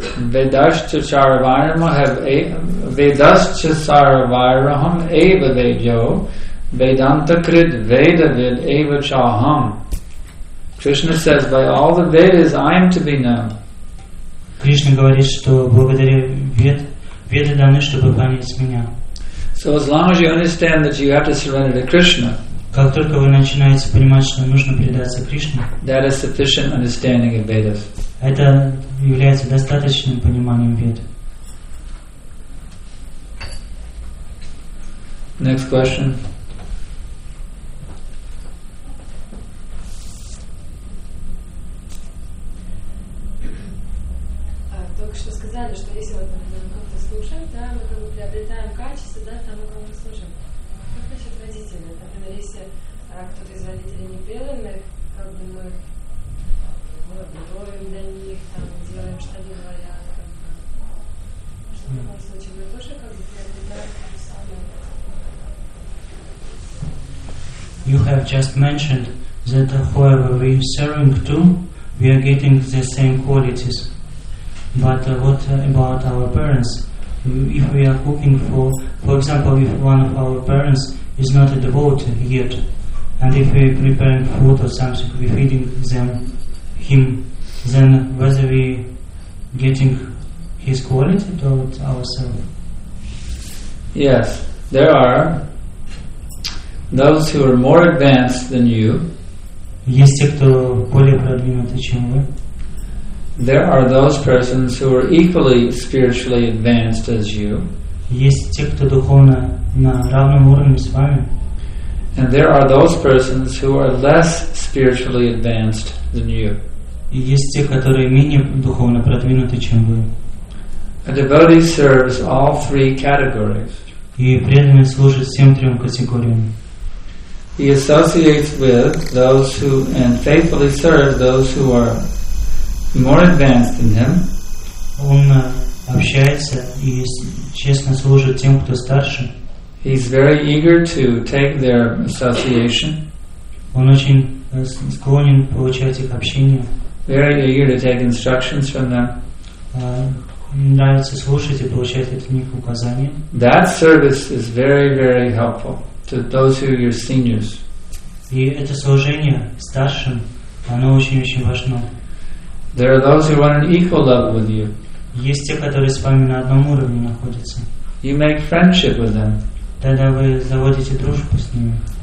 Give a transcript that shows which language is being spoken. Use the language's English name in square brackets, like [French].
[Sanskrit] Vedascha Charavarnam have a Vedascha Charavarnam eva vedyo Vedanta krit Veda vid eva chaham. [English] Krishna says, by all the Vedas I am to be known. [Russian] Krishna говорит, что благодаря Веды даны, чтобы понять меня. [English] So as long as you understand that you have to surrender to Krishna, [Russian] как только вы начинаете понимать, что нужно предаться Кришне, [English] that is sufficient understanding of Vedas. [Russian] Это является достаточным пониманием Вед. [English] Next question. [Russian] Только что сказали, что если вот мы как-то слушаем, да, мы как бы приобретаем качество, да, тому, кому мы служим. Как насчет родителей? Например, если кто-то из родителей не преданный, как бы мы готовим для них, там, делаем, что они говорят, как бы. Что в таком случае мы тоже как бы приобретаем то же самое? [English] You have just mentioned that whoever we are serving to, we are getting the same qualities. But what about our parents? If we are cooking for example, if one of our parents is not a devotee yet, and if we are preparing food or something, we are feeding him, then whether we getting his quality towards ourselves? Yes, there are those who are more advanced than you. [Russian] Есть те, кто более продвинутый, чем вы. [English] There are those persons who are equally spiritually advanced as you. [Russian] Есть те, кто духовно на равном уровне с вами. [English] And there are those persons who are less spiritually advanced than you. [Russian] Есть те, которые менее духовно продвинуты, чем вы. [English] A devotee serves all three categories. [Russian] И преданный служит всем трем категориям. [English] He associates with those who and faithfully serves those who are more advanced than him. [Russian] Он общается и честно служит тем, кто старше. [English] He's very eager to take their association. [Russian] Он очень склонен получать их общение. [English] Very eager to take instructions from them. [Russian] Нравится слушать и получать от них указания. [English] That service is very, very helpful to those who are your seniors. [Russian] И это служение старшим, оно очень-очень важно. [English] There are those who are on an equal level with you. [Russian] Есть те, которые с вами на одном уровне находятся. [English] You make friendship with them. [Russian] Тогда вы заводите дружбу с ними.